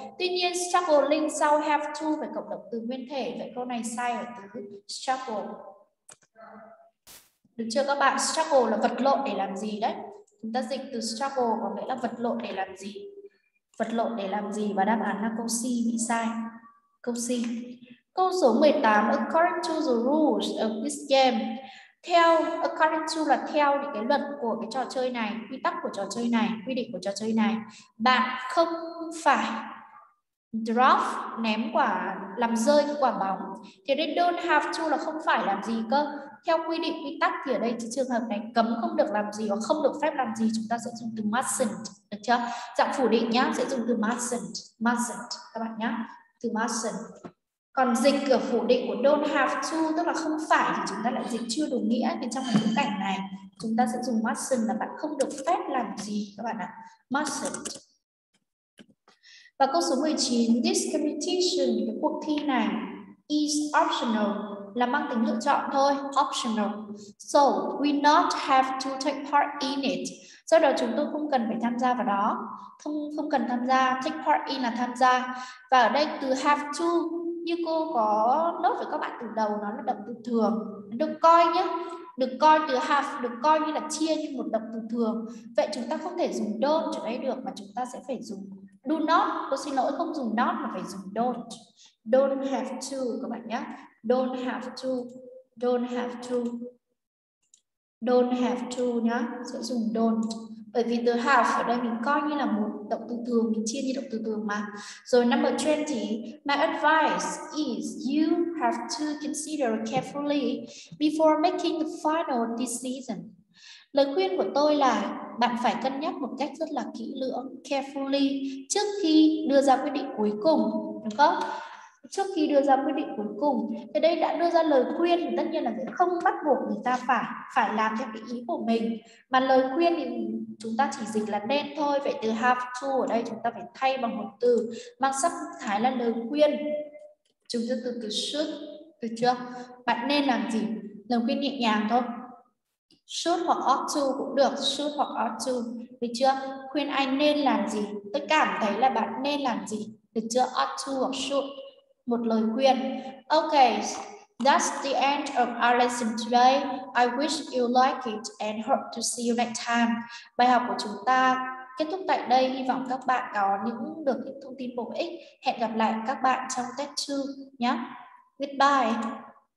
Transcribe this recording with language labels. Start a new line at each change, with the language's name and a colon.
Vietnamese: Tuy nhiên struggling sau have to phải cộng động từ nguyên thể, vậy câu này sai ở từ struggle. Được chưa các bạn? Struggle là vật lộn để làm gì đấy. Chúng ta dịch từ struggle có nghĩa là vật lộn để làm gì. Vật lộn để làm gì và đáp án là câu C bị sai. Câu C.
English: Câu số 18, according to the rules of this game.
Vietnamese: Theo, according to là theo những cái luật của cái trò chơi này, quy tắc của trò chơi này, quy định của trò chơi này. Bạn không phải drop, ném quả, làm rơi quả bóng. Thế nên don't have to là không phải làm gì cơ. Theo quy định, quy tắc thì ở đây thì trường hợp này cấm không được làm gì hoặc không được phép làm gì, chúng ta sẽ dùng từ mustn't, được chưa? Dạng phủ định nhá, sẽ dùng từ mustn't, mustn't các bạn nhá, từ mustn't. Còn dịch cửa phủ định của don't have to, tức là không phải, thì chúng ta lại dịch chưa đúng nghĩa. Nên trong cái cảnh này, chúng ta sẽ dùng mustn't là bạn không được phép làm gì các bạn ạ. Mustn't. Và câu số 19,
English: this competition,
Vietnamese: cái cuộc thi này,
English: is optional,
Vietnamese: là mang tính lựa chọn thôi, optional.
English: So we not have to take part in it.
Vietnamese: Do đó chúng tôi không cần phải tham gia vào đó. Không cần tham gia, take part in là tham gia. Và ở đây từ have to, như cô có nốt với các bạn từ đầu, nó là động từ thường. Được coi nhé, được coi từ have, được coi như là chia như một động từ thường. Vậy chúng ta không thể dùng don't chỗ ấy được, mà chúng ta sẽ phải dùng do not. Cô xin lỗi, không dùng not mà phải dùng don't.
English: Don't have to
Vietnamese: các bạn nhé.
English: Don't have to. Don't have to. Don't have to nhé.
Vietnamese: Sẽ dùng
English: don't.
Vietnamese: Bởi vì từ have ở đây mình coi như là một động từ thường, mình chia như động từ thường mà.
English: Rồi number 20, my advice is you have to consider carefully before making the final decision.
Vietnamese: Lời khuyên của tôi là bạn phải cân nhắc một cách rất là kỹ lưỡng, carefully, trước khi đưa ra quyết định cuối cùng, đúng không? Trước khi đưa ra quyết định cuối cùng. Thì đây đã đưa ra lời khuyên thì tất nhiên là không bắt buộc người ta phải làm theo cái ý của mình. Mà lời khuyên thì chúng ta chỉ dịch là nên thôi. Vậy từ have to ở đây chúng ta phải thay bằng một từ mang sắc thái là lời khuyên. Chúng ta từ should, được chưa? Bạn nên làm gì? Lời khuyên nhẹ nhàng thôi. Should hoặc ought to cũng được. Should hoặc ought to, được chưa? Khuyên ai nên làm gì? Tôi cảm thấy là bạn nên làm gì? Được chưa? Ought to hoặc should, một lời khuyên.
English: Okay, that's the end of our lesson today. I wish you like it and hope to see you next time.
Vietnamese: Bài học của chúng ta kết thúc tại đây. Hy vọng các bạn có những được những thông tin bổ ích. Hẹn gặp lại các bạn trong test 2 nhé. Goodbye.